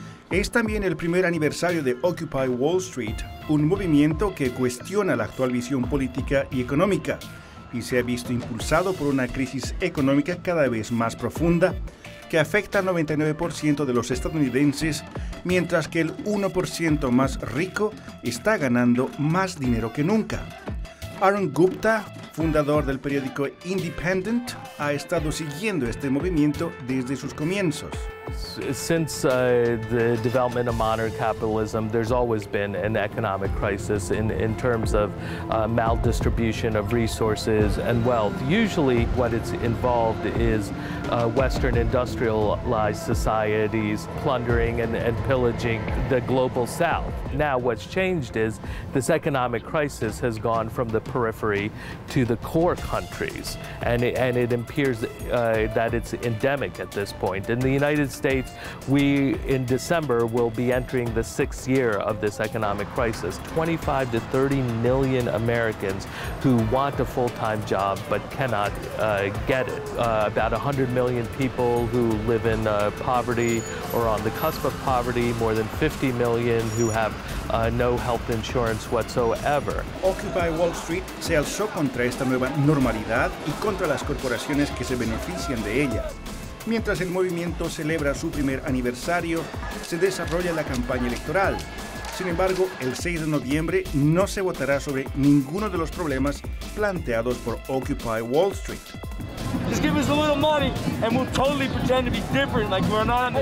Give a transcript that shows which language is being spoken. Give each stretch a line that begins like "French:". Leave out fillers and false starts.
Spanish: Es también el primer aniversario de Occupy Wall Street, un movimiento que cuestiona la actual visión política y económica y se ha visto impulsado por una crisis económica cada vez más profunda que afecta al 99% de los estadounidenses, mientras que el 1% más rico está ganando más dinero que nunca. Arun Gupta, fundador del periódico Independent, ha estado siguiendo este movimiento desde sus comienzos.
English: Since the development of modern capitalism, there's always been an economic crisis in terms of maldistribution of resources and wealth. Usually what it's involved is Western industrialized societies plundering and pillaging the global South. Now what's changed is this economic crisis has gone from the periphery to the core countries, and it appears that it's endemic at this point. In the United States, we in December will be entering the sixth year of this economic crisis. 25 to 30 million Americans who want a full-time job but cannot get it. About 100 million people who live in poverty or on the cusp of poverty, more than 50 million who have no health insurance whatsoever.
Spanish: Occupy Wall Street se alzó contra esta nueva normalidad y contra las corporaciones que se benefician de ella. Mientras el movimiento celebra su primer aniversario, se desarrolla la campaña electoral. Sin embargo, el 6 de noviembre no se votará sobre ninguno de los problemas planteados por Occupy Wall Street.
English: Just give us a little money and we'll totally pretend to be different, like we're not on the